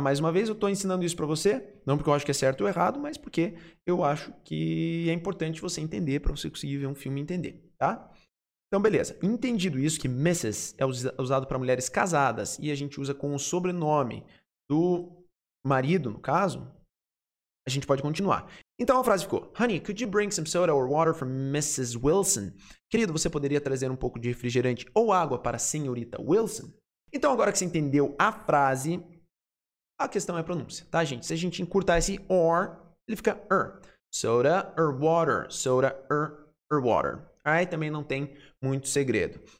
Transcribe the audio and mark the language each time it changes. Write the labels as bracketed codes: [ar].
[pt] Mais uma vez, eu estou ensinando isso para você, não porque eu acho que é certo ou errado, mas porque eu acho que é importante você entender para você conseguir ver um filme e entender. Tá? Então, beleza. Entendido isso, que Mrs. é usado para mulheres casadas e a gente usa com o sobrenome do marido, no caso, a gente pode continuar. Então, a frase ficou: [en] Honey, could you bring some soda or water for Mrs. Wilson? [pt] Querido, você poderia trazer um pouco de refrigerante ou água para a senhorita Wilson? Então, agora que você entendeu a frase, a questão é a pronúncia, tá, gente? Se a gente encurtar esse or, ele fica [en] Soda or water. Soda or water. [pt] Aí também não tem muito segredo.